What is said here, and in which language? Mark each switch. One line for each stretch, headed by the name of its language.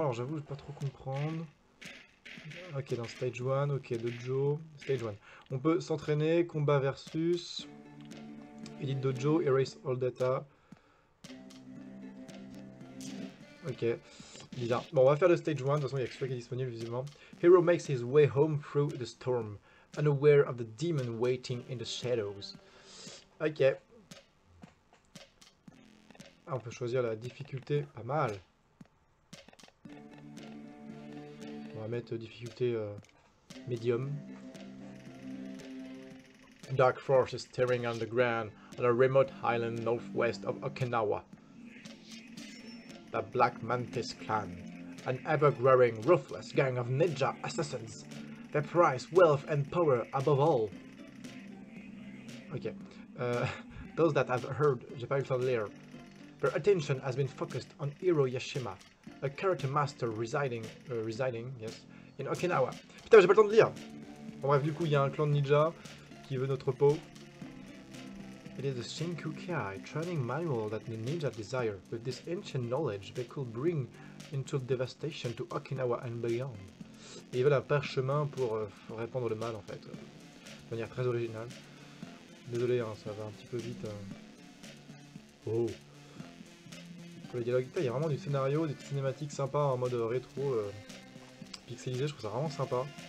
French: Alors, j'avoue, je ne vais pas trop comprendre. Ok, dans stage 1, ok, dojo, stage 1. On peut s'entraîner, combat versus,
English: edit dojo, erase all data.
French: Ok, bizarre. Bon, on va faire le stage 1, de toute façon, il y a que celui qui est disponible, visiblement.
English: Hero makes his way home through the storm, unaware of the demon waiting in the shadows. Ok.
French: Ah, on peut choisir la difficulté, pas mal. On va mettre difficulté medium.
English: Dark force is tearing underground on a remote island northwest of Okinawa. The Black Mantis clan, an ever-growing ruthless gang of ninja assassins. They prize wealth and power above all. Okay, those that have heard Japan Lear, their attention has been focused on Hiro Yashima. A character master residing, yes, in Okinawa.
French: Putain, j'ai pas le temps de lire. Bon, bref, du coup, il y a un clan de ninja qui veut notre peau.
English: It is a Shinkukai training manual that the ninja desire. With this ancient knowledge, they could bring into devastation to Okinawa and beyond.
French: Et ils veulent un parchemin pour répandre le mal, en fait. De manière très originale. Désolé, hein, ça va un petit peu vite. Oh. Le dialogue, il y a vraiment du scénario, des cinématiques sympas en mode rétro, pixelisé, je trouve ça vraiment sympa.